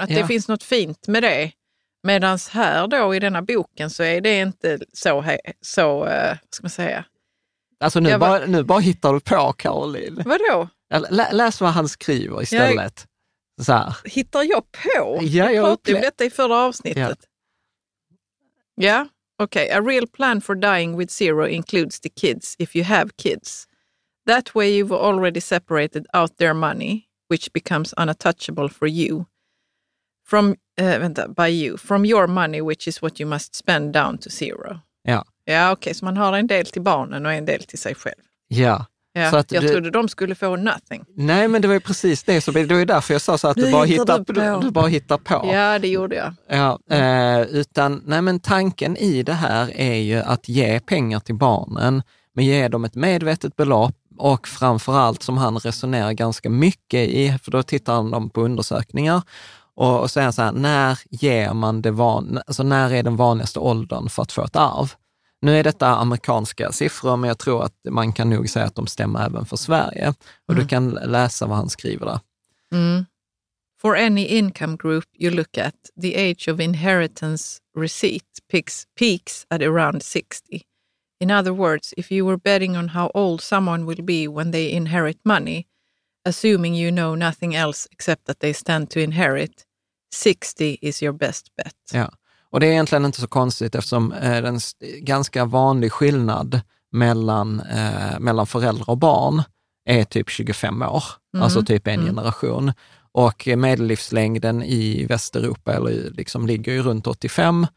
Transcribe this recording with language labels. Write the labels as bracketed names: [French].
[Swedish] Att, ja, det finns något fint med det. Medan här då i denna boken så är det inte så vad ska man säga? Alltså nu bara hittar du på, Caroline. Vadå? Läs vad han skriver istället. Så här. Hittar jag på? Ja, jag pratade om detta i förra avsnittet. Ja, okej. [English] Okay. A real plan for dying with zero includes the kids, if you have kids. That way you've already separated out their money, which becomes untouchable for you. From your money, which is what you must spend down to zero. [Swedish] Ja. Ja, okej, okay, så man har en del till barnen och en del till sig själv. Ja. Ja, så att jag trodde de skulle få nothing. Nej, men det var ju precis det. Så det var ju därför jag sa så att du bara hittar på. Ja, det gjorde jag. Ja, men tanken i det här är ju att ge pengar till barnen, men ge dem ett medvetet belopp. Och framförallt, som han resonerar ganska mycket i, för då tittar han på undersökningar, och säga så här, när ger man det när är den vanligaste åldern för att få ett arv? Nu är detta amerikanska siffror, men jag tror att man kan nog säga att de stämmer även för Sverige. Och du kan läsa vad han skriver där. Mm. [English] For any income group you look at, the age of inheritance receipt peaks at around 60. In other words, if you were betting on how old someone will be when they inherit money, assuming you know nothing else except that they stand to inherit, 60 is your best bet. [Swedish] Ja, och det är egentligen inte så konstigt, eftersom det är en ganska vanlig skillnad mellan föräldrar och barn är typ 25 år, alltså typ en generation. Och medellivslängden i Västeuropa eller liksom ligger ju runt 85.